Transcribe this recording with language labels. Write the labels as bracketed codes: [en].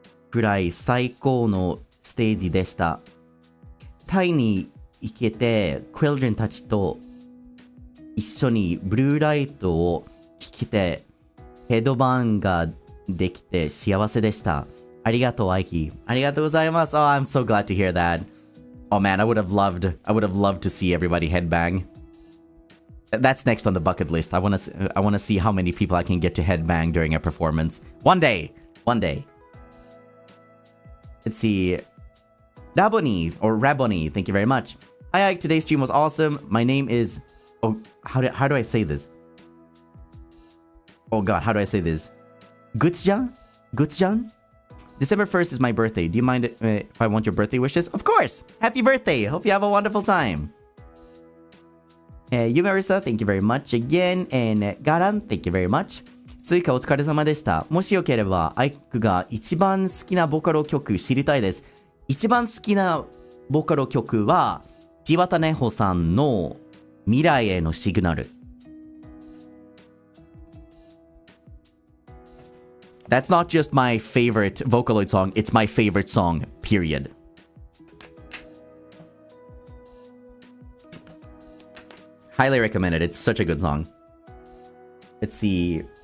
[ja] くらい最高のステージでした。タイに行けて、クエルジンたちと一緒にブルーライトを聴けて、ヘッドバンができて幸せでした。ありがとう、アイキー。ありがとうございます。 [en] Oh, I'm so glad to hear that. Oh man, I would have loved to see everybody headbang. That's next on the bucket list. I want to see how many people I can get to headbang during a performance. One day! One day. Let's see. Rabboni, thank you very much. Hi, Ike. Today's stream was awesome. My name is... Oh, how do I say this? Oh, God. How do I say this? Gutsjan? December 1st is my birthday. Do you mind if I want your birthday wishes? Of course. Happy birthday. Hope you have a wonderful time. Yumarisa, thank you very much again. And Garan, thank you very much. [ja] スイカお疲れ様でした。もしよければ、アイクが一番好きなボカロ曲知りたいです。一番好きなボカロ曲は、千畑根穂さんの未来へのシグナル。 [en] That's not just my favorite Vocaloid song, it's my favorite song, period. Highly recommended, it's such a good song. Let's see...